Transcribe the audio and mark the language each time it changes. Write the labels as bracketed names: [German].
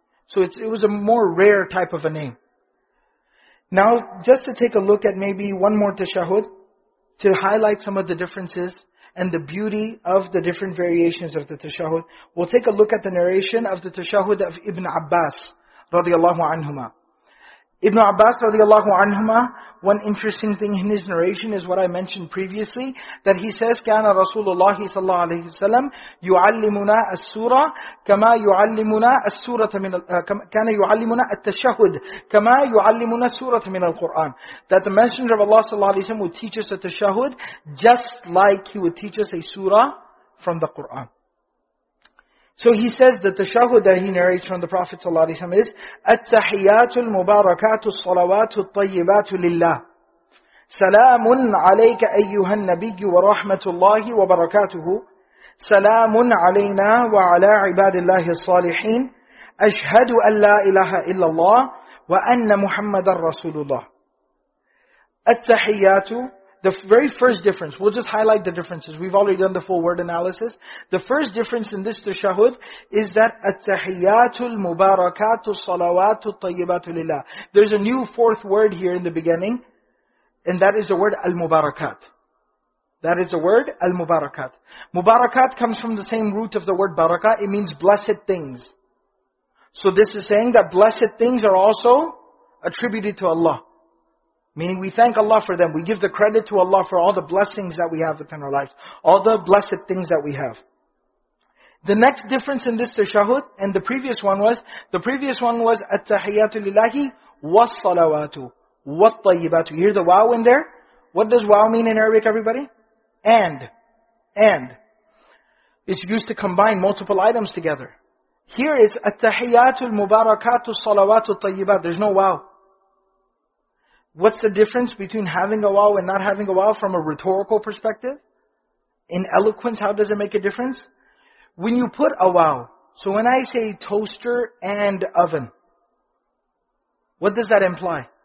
[English] So it was a more rare type of a name. Now, just to take a look at maybe one more tashahhud, to highlight some of the differences and the beauty of the different variations of the tashahhud. We'll take a look at the narration of the tashahhud of Ibn Abbas radiallahu anhuma. Ibn Abbas radiallahu anhuma, one interesting thing in his narration is what I mentioned previously, that he says, [Arabic] كان رسول الله صلى الله عليه وسلم يعلمنا السورة كما يعلمنا السورة من كان يعلمنا التشهد كما يعلمنا سورة من القرآن. [English] That the Messenger of Allah صلى الله عليه وسلم would teach us a tashahhud just like he would teach us a surah from the Quran. So he says that the tashahhud that he narrates from the Prophet ﷺ is [Arabic] التحيات المباركات الصلوات الطيبات لله سلام عليك أيها النبي ورحمة الله وبركاته سلام علينا وعلى عباد الله الصالحين أشهد أن لا إله إلا الله وأن محمد رسول الله. [English] التحيات, the very first difference, we'll just highlight the differences. We've already done the full word analysis. The first difference in this tashahhud is that [Arabic] التحياتُ المباركاتُ الصلواتُ الطيباتُ لله. [English] There's a new fourth word here in the beginning, and that is the word المباركات. That is the word المباركات. مباركات comes from the same root of the word باركة. It means blessed things. So this is saying that blessed things are also attributed to Allah. Meaning we thank Allah for them. We give the credit to Allah for all the blessings that we have within our lives. All the blessed things that we have. The next difference in this tashahhud and the previous one was, [Arabic] التحيات لله والصلوات والطيبات. [English] You hear the wow in there? What does wow mean in Arabic, everybody? And. It's used to combine multiple items together. Here it's [Arabic] التحيات المباركات الصلوات الطيبات. [English] There's no wow. What's the difference between having a wow and not having a wow from a rhetorical perspective? In eloquence, how does it make a difference? When you put a wow, so when I say toaster and oven, what does that imply?